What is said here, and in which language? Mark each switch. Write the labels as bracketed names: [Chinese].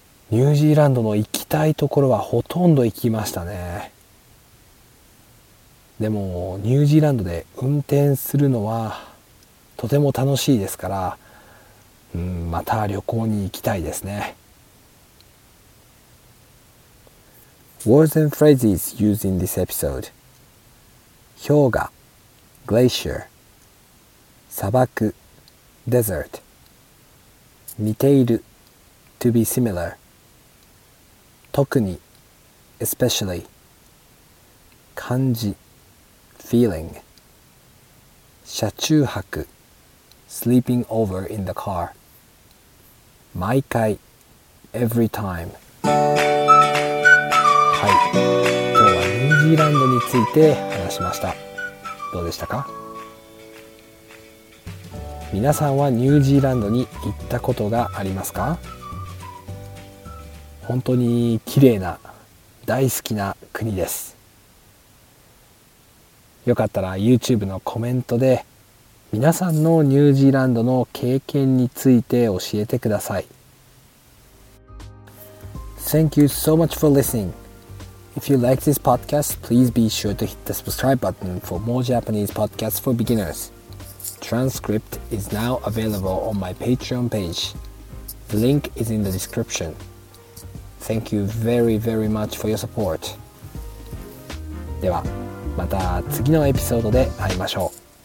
[Japanese] ニュージーランドの行きたいところはほとんど行きましたね。でもニュージーランドで運転するのはとても楽しいですから、また旅行に行きたいですね。 [English] Words and phrases used in this episode: [Japanese] 氷河 [English] glacier [Japanese] 砂漠 [English] desert [Japanese] 似ている [English] to be similar [Japanese] 特に [English] especially [Japanese] 感じ [English] feeling [Japanese] 車中泊 [English] sleeping over in the car [Japanese] 毎回 [English] every time。 [Japanese] はい、今日はニュージーランドについて話しました。どうでしたか？皆さんはニュージーランドに行ったことがありますか？本当に綺麗な大好きな国です。よかったら YouTube のコメントで皆さんのニュージーランドの経験について教えてください。 [English] Thank you so much for listening. If you like this podcast, please be sure to hit the subscribe button for more Japanese podcasts for beginners. Transcript is now available on my Patreon page. The link is in the descriptionThank you very, very much for your support. [Japanese] では、また次のエピソードで会いましょう。